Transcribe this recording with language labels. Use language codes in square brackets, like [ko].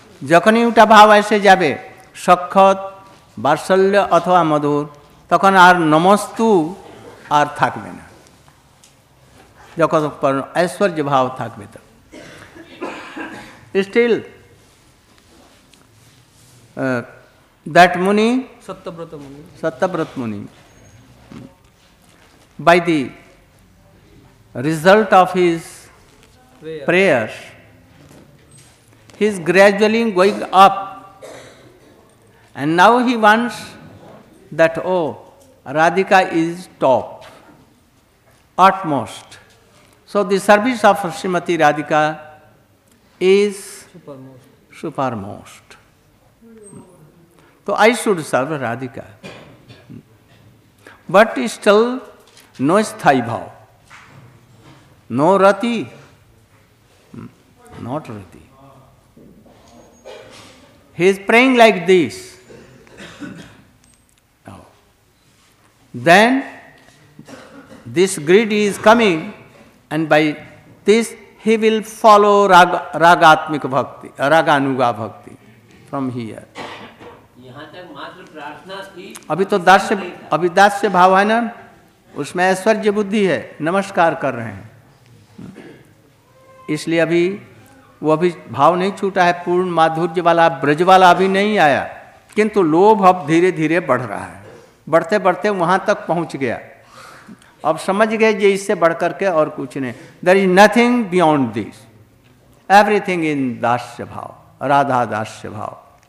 [bn] যখনই ওটা ভাব এসে যাবে সখত বাৎসল্য অথবা মধুর, তখন আর নমস্তু আর থাকবে না, যখন ঐশ্বর্য ভাব থাকবে তো [en] still that Muni [bn] সত্যব্রত মুনি [en] By the result of his prayers, he is gradually going up and now he wants that, oh, Radhika is top, utmost. So the service of Srimati Radhika is supermost. So I should serve Radhika. But still no sthai bhav. No rati, not rati. He is praying like this. No. Then this greed is coming and by this he will follow ragatmika bhakti, raganuga bhakti from here. [hi] अभी तो दास्य, अभी दास्य भाव है ना, उसमें ऐश्वर्य बुद्धि है, नमस्कार कर रहे हैं, इसलिए अभी वो अभी भाव नहीं छूटा है, पूर्ण माधुर्य वाला ब्रज वाला अभी नहीं आया, किंतु लोभ अब धीरे धीरे बढ़ रहा है, बढ़ते बढ़ते वहां तक पहुंच गया, अब समझ गए जे इससे बढ़ करके और कुछ नहीं, [en] there is nothing beyond this, everything in [hi] दास्य भाव, राधा दास्य भाव।